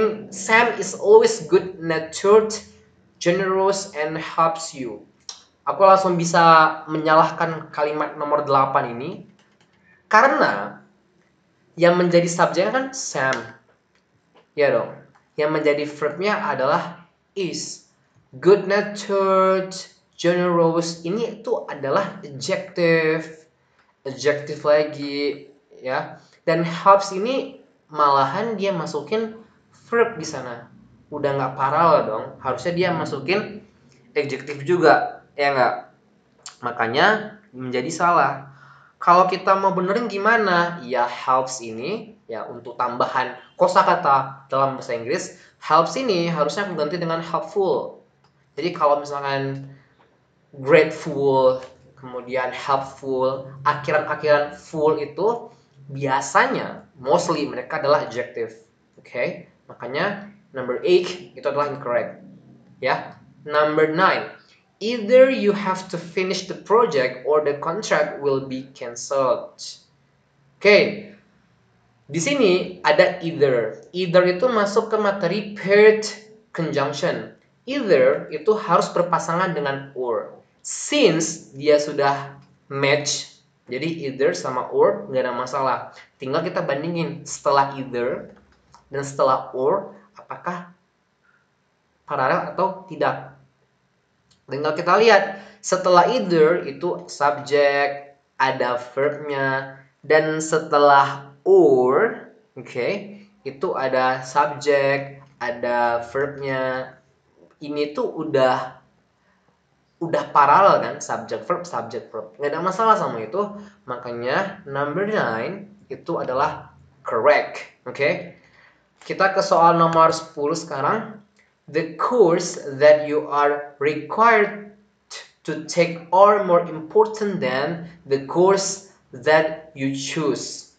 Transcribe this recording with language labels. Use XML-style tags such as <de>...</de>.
<en>Sam is always good natured, generous, and helps you.</en> <id>Aku langsung bisa menyalahkan kalimat nomor 8 ini. Karena yang menjadi subjeknya kan Sam. Ya dong. Yang menjadi verbnya adalah is. Good natured, generous. Ini tuh adalah adjective. Adjective lagi. Ya. Dan helps ini malahan dia masukin verb di sana. Udah nggak paralel dong. Harusnya dia masukin adjective juga. Ya enggak? Makanya menjadi salah. Kalau kita mau benerin gimana? Ya helps ini, ya untuk tambahan kosakata dalam bahasa Inggris, helps ini harusnya diganti dengan helpful. Jadi kalau misalkan grateful, kemudian helpful, akhiran-akhiran full itu biasanya mostly mereka adalah adjective. Oke? Makanya number 8 itu adalah incorrect. Ya. Number 9.</id> <en>Either you have to finish the project or the contract will be cancelled.</en> <id>Oke. Di sini ada either. Either itu masuk ke materi paired conjunction. Either itu harus berpasangan dengan or. Since dia sudah match, jadi either sama or nggak ada masalah. Tinggal kita bandingin setelah either dan setelah or, apakah paralel atau tidak. Tinggal kita lihat, setelah either itu subjek, ada verbnya, dan setelah or, oke, itu ada subjek, ada verbnya, ini tuh udah paralel kan, subjek, verb, nggak ada masalah sama itu, makanya number 9 itu adalah correct, oke. Kita ke soal nomor 10 sekarang.</id> <en>The course that you are required to take are more important than the course that you choose.</en>